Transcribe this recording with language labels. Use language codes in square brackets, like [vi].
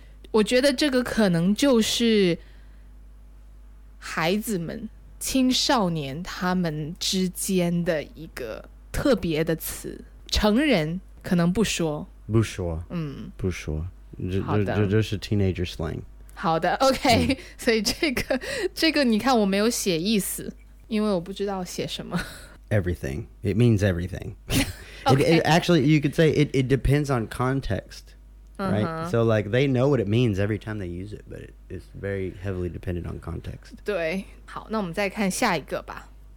[zh] 我觉得这个可能就是孩子们、青少年他们之间的一个特别的词，成人可能不说，不说，嗯，不说，这就是 teenager slang。好的 ，OK、嗯、所以这个你看我没有写意思，因为我不知道写什么。 [en] Everything. It means everything. Okay. It actually, you could say it depends on context, right?、 Uh-huh. So like they know what it means every time they use it, but it's very heavily dependent on context. [zh] 对，好，那我们再看下一个吧。